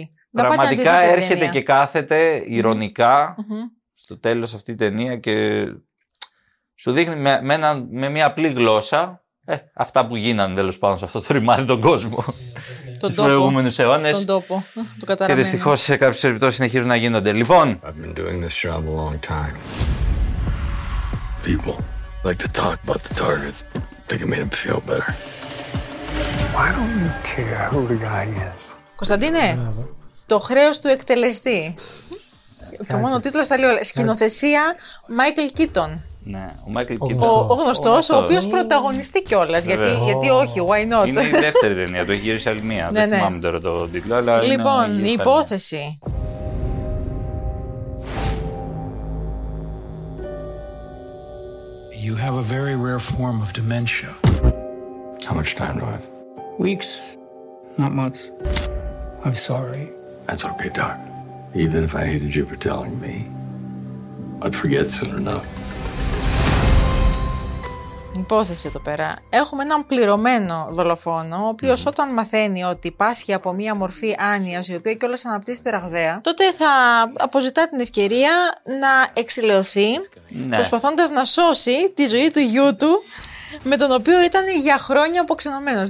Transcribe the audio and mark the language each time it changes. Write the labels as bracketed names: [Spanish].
[Greek] Πραγματικά έρχεται και κάθεται ηρωνικά mm-hmm. στο τέλος αυτή η ταινία και σου δείχνει με μια απλή γλώσσα αυτά που γίνανε, τέλος πάντων, σε αυτό το ρημάδι τον κόσμο τους προηγούμενους αιώνες. Τον τόπο, το καταραμένο. Και δυστυχώς σε κάποιες περιπτώσεις συνεχίζουν να γίνονται. Λοιπόν, [English] I've been doing this job a long time. People like to talk about the targets. Think it made them feel better. Why don't you care who the guy is? [Greek] Κωνσταντίνε, το χρέος του εκτελεστή. Και μόνο ο τίτλος θα λέει όλα. Σκηνοθεσία Μάικλ Κίτον. Ναι, ο Μάικλ Κίτον. Ο γνωστός, ο οποίος πρωταγωνιστεί κιόλας. Γιατί όχι, [English] why not. [Greek] Είναι η δεύτερη ταινία, το έχει γυρίσει άλλη μία. Δεν θυμάμαι τώρα το τίτλο, αλλά. Λοιπόν, η υπόθεση. [English] You have a very rare form of dementia. How much time do I have? Weeks. Not months. I'm sorry. That's okay, Doc. Even if I hated you for telling me, I'd forget soon enough. [Greek] υπόθεση εδώ πέρα. Έχουμε έναν πληρωμένο δολοφόνο, ο οποίος όταν μαθαίνει ότι πάσχει από μία μορφή άνοιας, η οποία κιόλας αναπτύσσεται ραγδαία, τότε θα αποζητά την ευκαιρία να εξηλαιωθεί, ναι, προσπαθώντας να σώσει τη ζωή του γιού του, με τον οποίο ήταν για χρόνια αποξενωμένος.